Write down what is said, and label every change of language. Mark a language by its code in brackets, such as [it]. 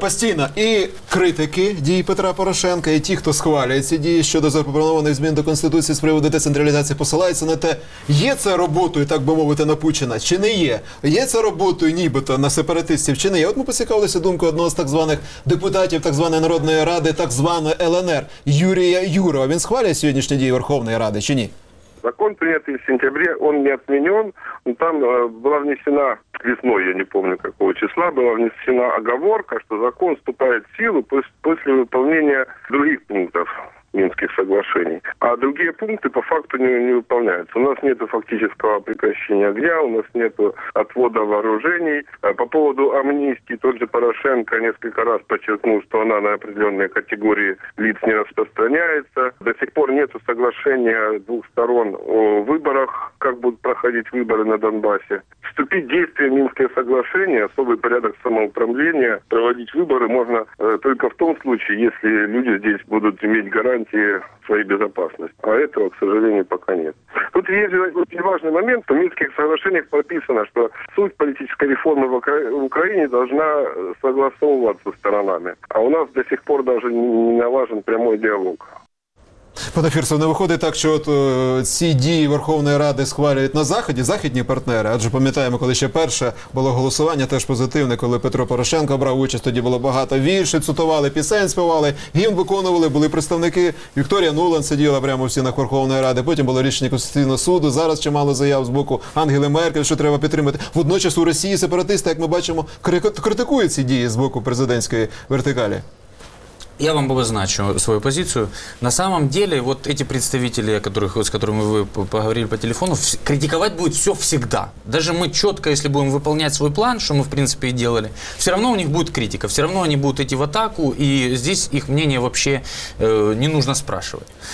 [uk] Постійно і критики дій Петра Порошенка, і ті, хто схвалює ці дії щодо запропонованих змін до Конституції з приводу децентралізації, посилаються на те, є це роботою, так би мовити, напучена, чи не є? Є це роботою нібито на сепаратистів, чи не є? От ми поцікавилися думкою одного з так званих депутатів, так званої Народної Ради, так званої ЛНР, Юрія Юрова. Він схвалює сьогоднішні дії Верховної Ради, чи ні? Закон прийнятий в сентябрі, він не відмінен. [ru] Там була внесена весной, я не помню какого числа, была внесена оговорка, что закон вступает в силу после выполнения других пунктов Минских соглашений. А другие пункты по факту не выполняются. У нас нет фактического прекращения огня, у нас нет отвода вооружений. По поводу амнистии, тот же Порошенко несколько раз подчеркнул, что она на определенные категории лиц не распространяется. До сих пор нет соглашения двух сторон о выборах, как будут проходить выборы на Донбассе. Вступить в действие Минское соглашение, особый порядок самоуправления, проводить выборы можно только в том случае, если люди здесь будут иметь гарантии своей безопасности. А этого, к сожалению, пока нет. Тут есть очень важный момент. В Минских соглашениях прописано, что суть политической реформы в Украине должна согласовываться сторонами. А у нас до сих пор даже не налажен прямой диалог. [uk] Пане Фірсов, не виходить так, що от, ці дії Верховної Ради схвалюють на Заході західні партнери? Адже пам'ятаємо, коли ще перше було голосування, теж позитивне, коли Петро Порошенко брав участь, тоді було багато віршів, цитували, пісень співали, гімн виконували, були представники. Вікторія Нуланд сиділа прямо в стінах Верховної Ради, потім було рішення Конституційного суду, зараз чимало заяв з боку Ангели Меркель, що треба підтримати. Водночас у Росії сепаратисти, як ми бачимо, критикують ці дії з боку президентської вертикалі. [ru] Я вам обозначу свою позицию. На самом деле, вот эти представители, которых, с которыми вы поговорили по телефону, критиковать будет все всегда. Даже мы четко, если будем выполнять свой план, что мы, в принципе, и делали, все равно у них будет критика, все равно они будут идти в атаку, и здесь их мнение вообще не нужно спрашивать.